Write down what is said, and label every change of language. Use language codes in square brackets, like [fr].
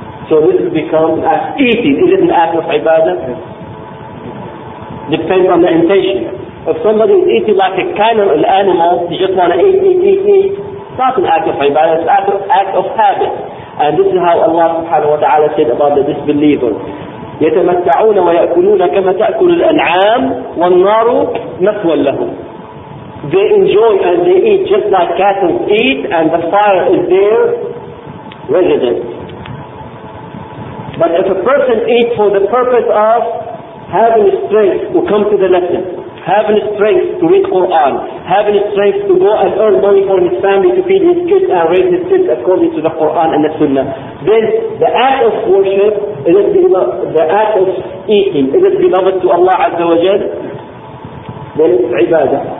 [en] So this has become an act easy. Is it an act of ibadah? Depends on the intention. If somebody is eating like a camel, an animal, you just want to eat, it's not an act of ibadah, it's an act of habit. And this is how Allah subhanahu wa ta'ala said about the disbelievers. [ar] يتمتعون ويأكلون كما تأكل الأنعام والنار مثوى لهم. [en] They enjoy and they eat just like cattle eat, and the fire is their residence. But if a person eats for the purpose of having strength to come to the lesson, having strength to read Quran, having strength to go and earn money for his family to feed his kids and raise his kids according to the Quran and the Sunnah, then the act of worship, is it the act of eating, is it beloved to Allah Azza wa Jal? Then it's ibadah.